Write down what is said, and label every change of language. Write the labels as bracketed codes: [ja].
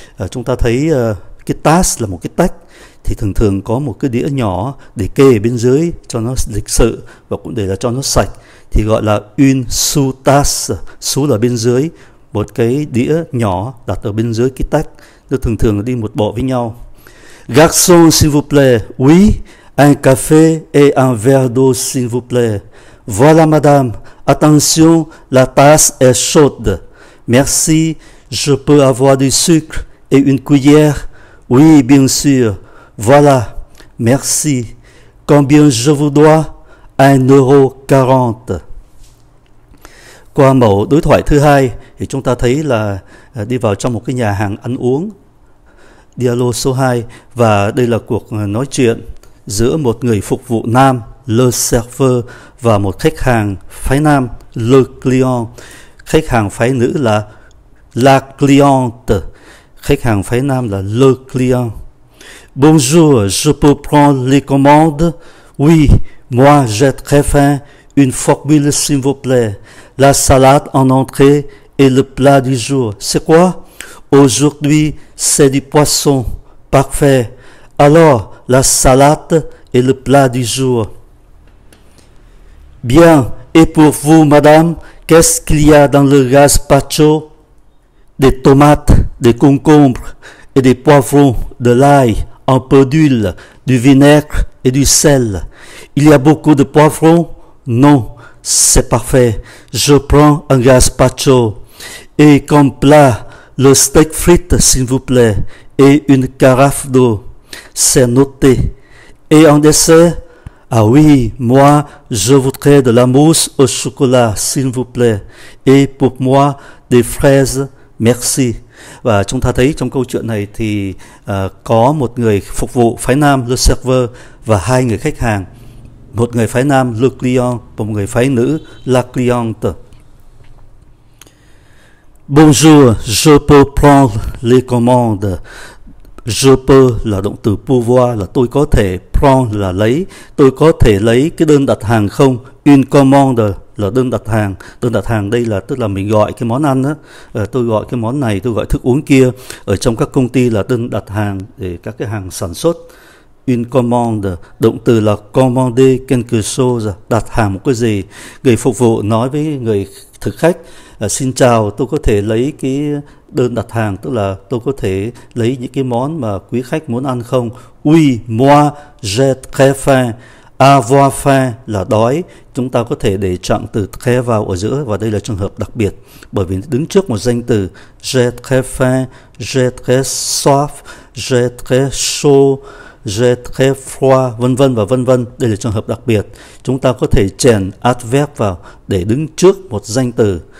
[vi] Chúng ta thấy cái tasse là một cái tách, thì thường thường có một cái đĩa nhỏ để kê ở bên dưới cho nó lịch sự và cũng để là cho nó sạch, thì gọi là une sous-tasse. Sous là bên dưới, một cái đĩa nhỏ đặt ở bên dưới cái tách, nó thường thường đi một bộ với nhau. [fr] Garçon, s'il vous plaît. Oui, un café et un verre d'eau, s'il vous plaît. Voilà, madame. Attention, la tasse est chaude. Merci, je peux avoir du sucre et une cuillère? Oui, bien sûr. Voilà, merci. Combien je vous dois? 1,40 €. [vi] Qua mẫu đối thoại thứ hai thì chúng ta thấy là đi vào trong một cái nhà hàng ăn uống, dialogue số 2, và đây là cuộc nói chuyện giữa một người phục vụ nam, le serveur, và một khách hàng phái nam, le client. Khách hàng phái nữ là La cliente, khách hàng phái nam là le client. [fr] Bonjour, je peux prendre les commandes? Oui, moi j'ai très faim. Une formule s'il vous plaît. La salade en entrée et le plat du jour. C'est quoi? Aujourd'hui, c'est du poisson. Parfait. Alors, la salade et le plat du jour. Bien. Et pour vous, madame, qu'est-ce qu'il y a dans le gazpacho? Des tomates, des concombres et des poivrons, de l'ail, un peu d'huile, du vinaigre et du sel. Il y a beaucoup de poivrons? Non, c'est parfait. Je prends un gazpacho. Et comme plat, le steak frites, s'il vous plaît, et une carafe d'eau. C'est noté. Et en dessert? Ah oui, moi, je voudrais de la mousse au chocolat, s'il vous plaît. Et pour moi, des fraises, merci. [vi] Và chúng ta thấy trong câu chuyện này thì có một người phục vụ phái nam, le serveur, và hai người khách hàng. Một người phái nam, le client, và một người phái nữ, la cliente. Bonjour, je peux prendre les commandes. Je peux là động từ pouvoir, là tôi có thể, prendre là lấy, tôi có thể lấy cái đơn đặt hàng không? Une commande là đơn đặt hàng. Đơn đặt hàng đây là tức là mình gọi cái món ăn á, tôi gọi cái món này, tôi gọi thức uống kia. Ở trong các công ty là đơn đặt hàng để các cái hàng sản xuất. Une commande, động từ là commander quelque chose, đặt hàng một cái gì. Người phục vụ nói với người thực khách, xin chào, tôi có thể lấy cái đơn đặt hàng, tức là tôi có thể lấy những cái món mà quý khách muốn ăn không? [fr] Oui, moi, j'ai très faim. [vi] Avoir faim là đói. Chúng ta có thể để trạng từ très vào ở giữa, và đây là trường hợp đặc biệt, bởi vì đứng trước một danh từ. [fr] J'ai très faim, j'ai très soif, j'ai très chaud, j'ai très froid, vân vân và vân vân. [vi] Đây là trường hợp đặc biệt. Chúng ta có thể chèn adverb vào để đứng trước một danh từ.